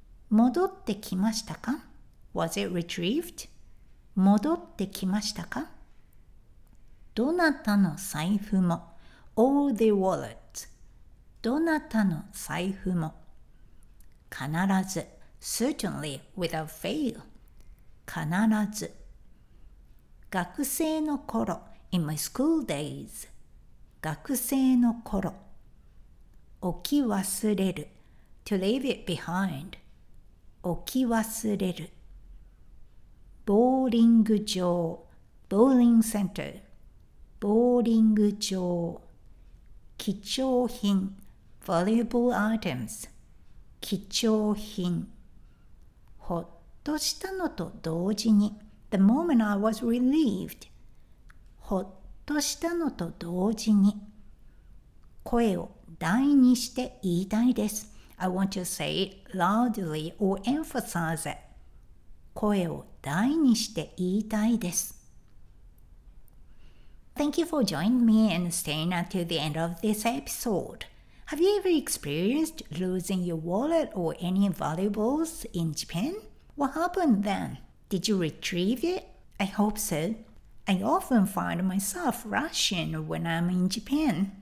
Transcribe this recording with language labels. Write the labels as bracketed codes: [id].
[ja] 戻ってきましたか? [en] Was it retrieved? [ja] 戻ってきましたか? どなたの財布も [en] All the wallets。 [ja] どなたの財布も必ず [en] Certainly without fail。 [ja] 必ず学生の頃 [en] In my school days。 [ja] 学生の頃置き忘れる [en] To leave it behind。 [ja] 置き忘れる。ボーリング場、ボーリングセンター、ボーリング場。貴重品、 [en] valuable items、 [ja] 貴重品。ほっとしたのと同時に、 [en] the moment I was relieved。 [ja] ほっとしたのと同時に、声を大にして言いたいです。 [en] I want to say it loudly or emphasize it. [ja] 声を大にして言いたいです。 [en] Thank you for joining me and staying until the end of this episode. Have you ever experienced losing your wallet or any valuables in Japan? What happened then? Did you retrieve it? I hope so. I often find myself rushing when I'm in Japan.